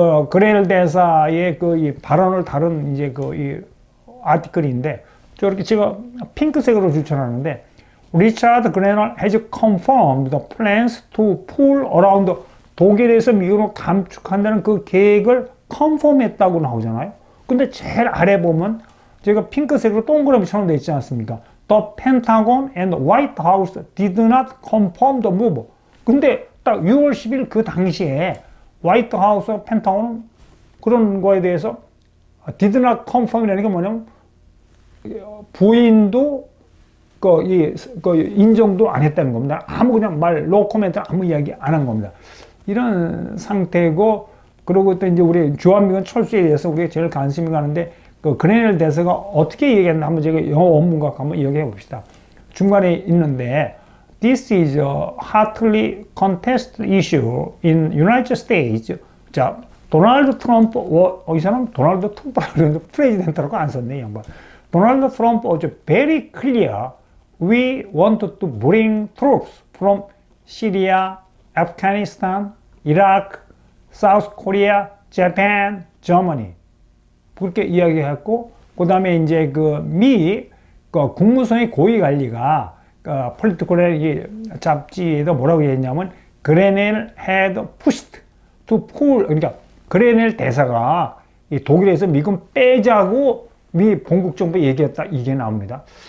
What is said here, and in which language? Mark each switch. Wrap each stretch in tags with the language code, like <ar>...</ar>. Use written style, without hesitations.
<ko>그레닐 대사의 그이 발언을 다룬 이제 그이 아티클인데, 저렇게 제가 핑크색으로 추천하는데,</ko> <en>Richard Grenell has confirmed the plans to pull around</en> <ko>독일에서 미군을 감축한다는 그 계획을 컨펌했다고 나오잖아요. 근데 제일 아래 보면 제가 핑크색으로 동그라미처럼 되어 있지 않습니까?</ko> <en>The Pentagon and White House did not confirm the move.</en> <ko>근데 딱 6월 10일 그 당시에 화이트 하우스와 펜타곤은 그런 거에 대해서</ko> <en>did not confirm</en> <ko>이라는 게 뭐냐면 부인도 인정도 안 했다는 겁니다. 아무 그냥 말, 노 코멘트, 아무 이야기 안한 겁니다. 이런 상태고, 그리고 또 이제 우리 주한미군 철수에 대해서 우리가 제일 관심이 가는데, 그 그레넬 대사가 어떻게 얘기했나 한번 제가 영어 원문과 한번 얘기해 봅시다. 중간에 있는데,</ko> <en>This is a hotly contested issue in United States.</en> <ko>자, 도널드 트럼프, 이 사람 도널드 트럼프라고 그러는데 프레지던트라고 안 썼네, 양반.</ko> <en>도널드 트럼프 was very clear. We want to bring troops from Syria, Afghanistan, Iraq, South Korea, Japan, Germany.</en> <ko>그렇게 이야기했고, 그다음에 이제 그미그 국무성의 고위 관리가 폴리티컬 잡지에도 뭐라고 했냐면,</ko> <en>Grenell had pushed to pull,</en> <ko>그러니까 그레넬 대사가 이 독일에서 미군 빼자고 미 본국 정부 얘기했다, 이게 나옵니다.</ko>